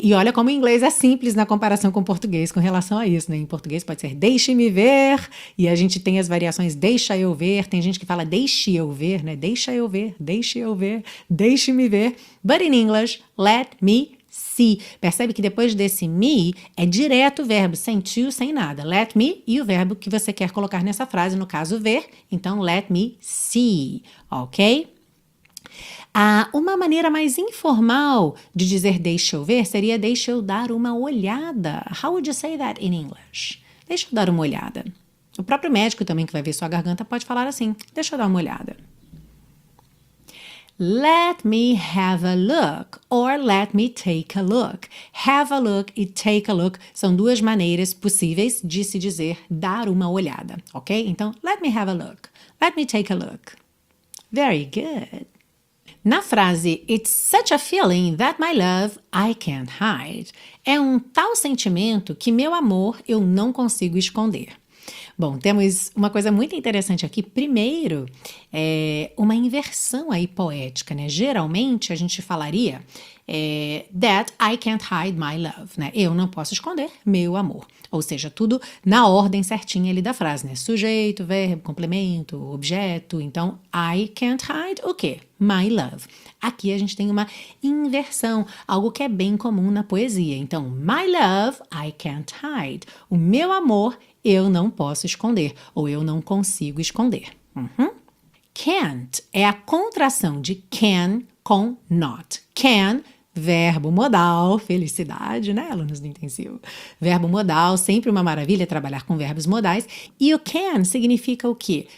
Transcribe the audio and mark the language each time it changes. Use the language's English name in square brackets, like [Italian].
[Portuguese] E olha como o inglês é simples na comparação com o português com relação a isso, né? Em português pode ser deixe-me ver. E a gente tem as variações deixa eu ver. Tem gente que fala deixe eu ver, né? Deixa eu ver, deixe eu ver, deixe-me ver. [English] But in English, let me see. [Portuguese] Percebe que depois desse me, é direto o verbo, sem to, sem nada. Let me e o verbo que você quer colocar nessa frase, no caso ver. Então, [English] let me see. [Portuguese] Ok? Uma maneira mais informal de dizer deixa eu ver seria deixa eu dar uma olhada. [English] How would you say that in English? [Portuguese] Deixa eu dar uma olhada. O próprio médico também que vai ver sua garganta pode falar assim, deixa eu dar uma olhada. [English] Let me have a look or let me take a look. [Portuguese] Have a look e take a look são duas maneiras possíveis de se dizer dar uma olhada, ok? [English] Então, let me have a look, let me take a look. Very good. [Portuguese] Na frase, [English] it's such a feeling that my love I can't hide. [Portuguese] É um tal sentimento que meu amor eu não consigo esconder. Bom, temos uma coisa muito interessante aqui. Primeiro, uma inversão aí poética, né? Geralmente a gente falaria [English] that I can't hide my love, [Portuguese] né? Eu não posso esconder meu amor. Ou seja, tudo na ordem certinha ali da frase, né? Sujeito, verbo, complemento, objeto. Então, [English] I can't hide [Portuguese] o quê? [English] My love. [Portuguese] Aqui a gente tem uma inversão, algo que é bem comum na poesia. [English] Então, my love, I can't hide. [Portuguese] O meu amor, eu não posso esconder, ou eu não consigo esconder. Uhum. Can't é a contração de can com not. Can, verbo modal, felicidade, né, alunos do intensivo? Verbo modal, sempre uma maravilha trabalhar com verbos modais. E o can significa o quê?